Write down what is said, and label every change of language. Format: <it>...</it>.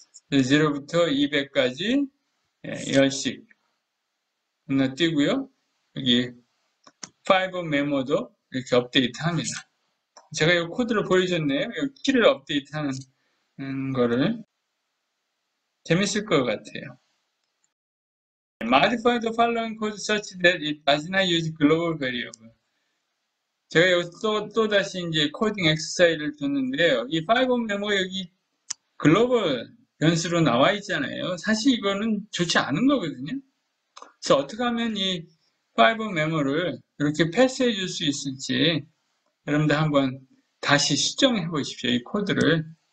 <ko>0부터 200까지 10씩 건너뛰고요. 여기 파이버 메모도 이렇게 업데이트 합니다. 제가 이 코드를 보여줬네요. 이 키를 업데이트하는 거를. 재밌을 것 같아요.</ko> <en>Modify the following code such that it does not use global variable.</en> <ko>제가 여기서 또 다시 이제 코딩 엑서사이즈를 줬는데요. 이 5메모 여기 글로벌 변수로 나와 있잖아요. 사실 이거는 좋지 않은 거거든요. 그래서 어떻게 하면 이 5메모를 이렇게 패스해 줄수 있을지 여러분들 한번 다시 수정해 보십시오. 이 코드를.</ko>